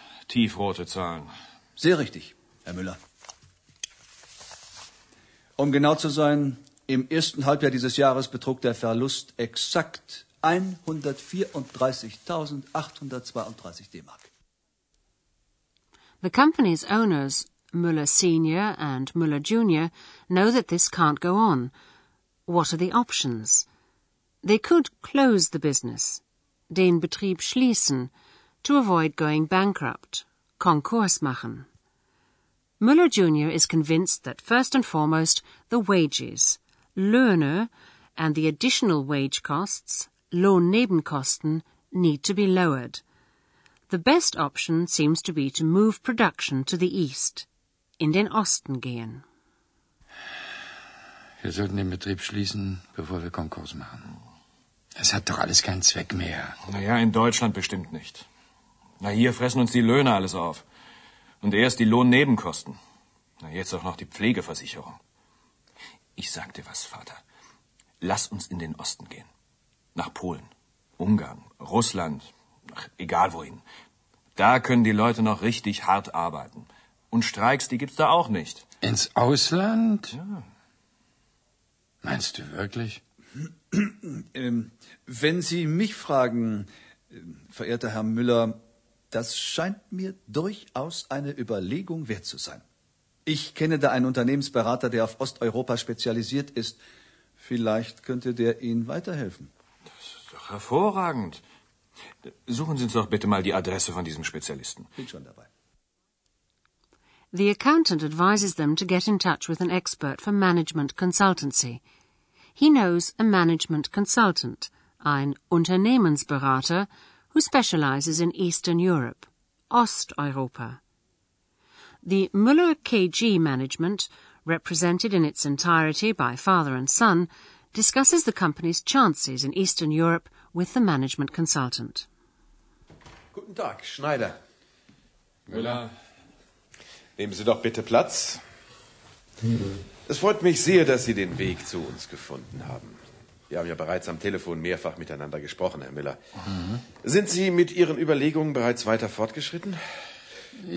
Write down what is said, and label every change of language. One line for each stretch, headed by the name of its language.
German: Tiefrote Zahlen. Sehr richtig, Herr Müller. Um genau zu sein, im ersten Halbjahr dieses Jahres betrug der Verlust exakt 134.832 D-Mark.
English: The company's owners, Müller Senior and Müller Junior, know that this can't go on. What are the options? They could close the business,
German: den Betrieb schließen,
English: to avoid going bankrupt,
German: Konkurs machen.
English: Müller Jr. is convinced that first and foremost, the wages, Löhne, and the additional wage costs, Lohnnebenkosten, need to be lowered. The best option seems to be to move production to the east,
German: in den Osten gehen. Wir sollten den Betrieb schließen, bevor wir Konkurs machen. Es hat doch alles keinen Zweck mehr. Naja, in Deutschland bestimmt nicht. Na, hier fressen uns die Löhne alles auf. Und erst die Lohnnebenkosten. Na, jetzt auch noch die Pflegeversicherung. Ich sag dir was, Vater. Lass uns in den Osten gehen. Nach Polen, Ungarn, Russland, ach, egal wohin. Da können die Leute noch richtig hart arbeiten. Und Streiks, die gibt's da auch nicht. Ins Ausland? Ja. Meinst du wirklich? Wenn Sie mich fragen, verehrter Herr Müller, das scheint mir durchaus eine Überlegung wert zu sein. Ich kenne da einen Unternehmensberater, der auf Osteuropa spezialisiert ist. Vielleicht könnte der Ihnen weiterhelfen. Das ist doch hervorragend. Suchen Sie uns doch bitte mal die Adresse von diesem Spezialisten. Bin schon dabei.
English: The accountant advises them to get in touch with an expert for management consultancy. He knows a management consultant,
German: ein Unternehmensberater,
English: who specializes in Eastern Europe, Osteuropa. The Müller KG management, represented in its entirety by father and son, discusses the company's chances in Eastern Europe with the management consultant.
German: Guten Tag, Schneider. Müller. Nehmen Sie doch bitte Platz. Es freut mich sehr, dass Sie den Weg zu uns gefunden haben. Wir haben ja bereits am Telefon mehrfach miteinander gesprochen, Herr Müller. Mhm. Sind Sie mit Ihren Überlegungen bereits weiter fortgeschritten? Ja.